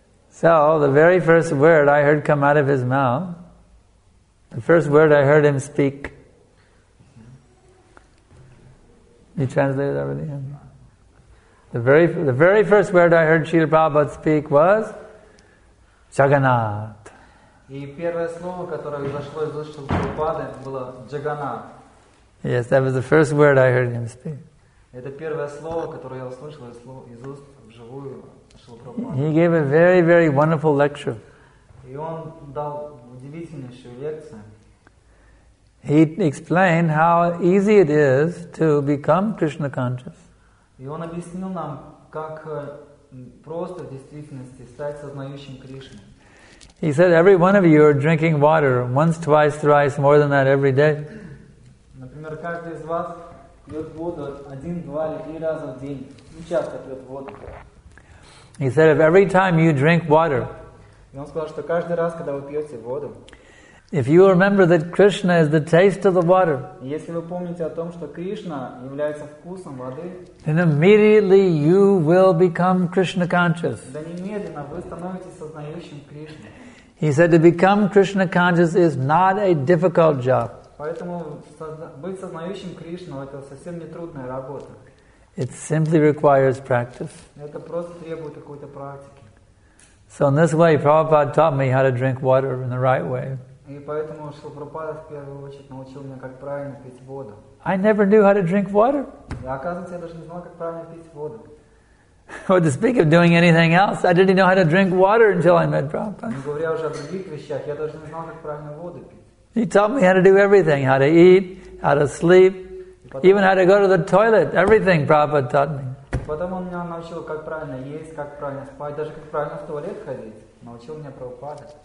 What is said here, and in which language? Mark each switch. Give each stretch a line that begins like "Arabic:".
English: So the very first word I heard come out of his mouth, the first word I heard him speak. You translated already. The very first word I heard Srila Prabhupada speak was Jagannath.
Russian: И первое слово, которое зашло из уст Прабхупады, было Джаганнат.
English: Yes, that was the first word I heard him speak.
Russian: Это первое слово, которое я услышал из уст вживую Шрила Прабхупады.
English: He gave a very, very wonderful lecture.
Russian: И он дал удивительнейшую лекцию.
English: He explained how easy it is to become Krishna conscious.
Russian: И он объяснил нам, как просто в действительности стать сознающим Кришну.
English: He said, every one of you are drinking water once, twice, thrice, more than that every day.
Russian: Например, каждый из вас пьет воду один, два или три раза в день. Не часто пьет воду.
English: He said, if every time you drink water,
Russian: и он сказал, что каждый раз, когда вы пьете воду,
English: if you remember that Krishna is the taste of the water,
Russian: если вы помните о том, что Кришна является вкусом воды,
English: then immediately you will become Krishna conscious.
Russian: Да немедленно вы становитесь сознающим Кришны.
English: He said to become Krishna conscious is not a difficult job.
Russian: Поэтому быть сознающим Кришну это совсем не трудная работа.
English: It simply requires practice.
Russian: Это просто требует какой-то практики.
English: So in this way, Prabhupada taught me how to drink water in the right way.
Russian: И поэтому Шрила Прабхупада в первую очередь научил меня как правильно пить воду.
English: I never knew how to drink water.
Russian: И оказывается, я даже не знал как правильно пить воду.
English: Or to speak of doing anything else, I didn't know how to drink water until I met Prabhupada.
Russian: Не говоря уже о других вещах, я даже не знал, как правильно воду пить.
English: He taught me how to do everything, how to eat, how to sleep, even how to go to the toilet. Everything Prabhupada taught me.
Russian: Потом он меня научил, как правильно есть, как правильно спать, даже как правильно в туалет ходить. Научил меня Прабхупада.